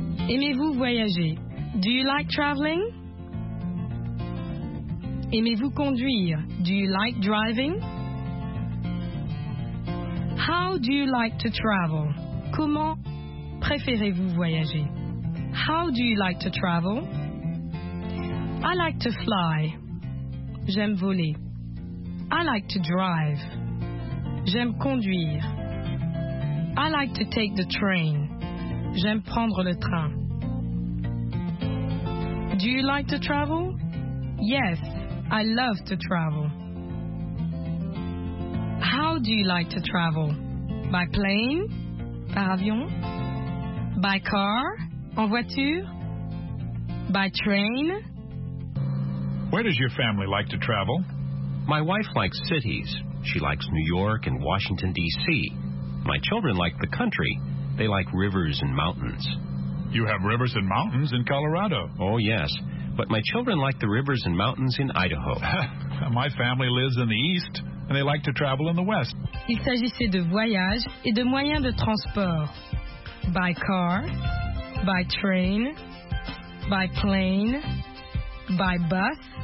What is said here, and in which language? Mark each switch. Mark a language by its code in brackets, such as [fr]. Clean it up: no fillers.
[fr] Aimez-vous voyager? [en] Do you like traveling? [fr] Aimez-vous conduire? [en] Do you like driving? How do you like to travel? [fr] Comment préférez-vous voyager? [en] How do you like to travel? I like to fly. [fr] J'aime voler. [en] I like to drive. [fr] J'aime conduire. [en] I like to take the train. [fr] J'aime prendre le train. [en] Do you like to travel? Yes, I love to travel. How do you like to travel? By plane? [fr] Par avion? [en] By car? [fr] En voiture? [en] By train? Where does your family like to travel? My wife likes cities. She likes New York and Washington, D.C. My children like the country. They like rivers and mountains. You have rivers and mountains in Colorado. Oh, yes. But my children like the rivers and mountains in Idaho. My family lives in the east, and they like to travel in the west. [fr] Il s'agissait de voyages et de moyens de transport. [en] By car, by train, by plane, by bus.